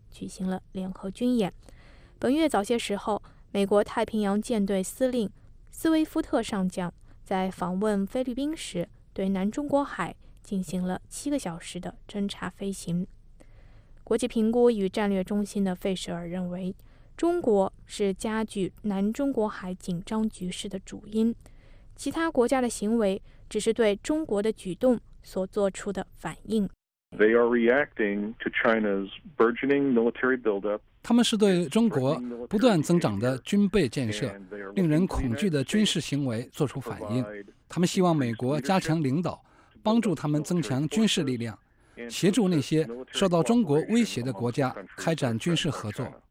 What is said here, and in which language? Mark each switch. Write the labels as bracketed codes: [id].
[zh] 举行了联合军演。本月早些时候，美国太平洋舰队司令斯威夫特上将在访问菲律宾时，对南中国海进行了7个小时的侦察飞行。国际评估与战略中心的费舍尔认为，中国是加剧南中国海紧张局势的主因，其他国家的行为只是对中国的举动所做出的反应。 [en] They are reacting to China's burgeoning military buildup. [zh] 他们是对中国不断增长的军备建设、令人恐惧的军事行为做出反应。他们希望美国加强领导，帮助他们增强军事力量，协助那些受到中国威胁的国家开展军事合作。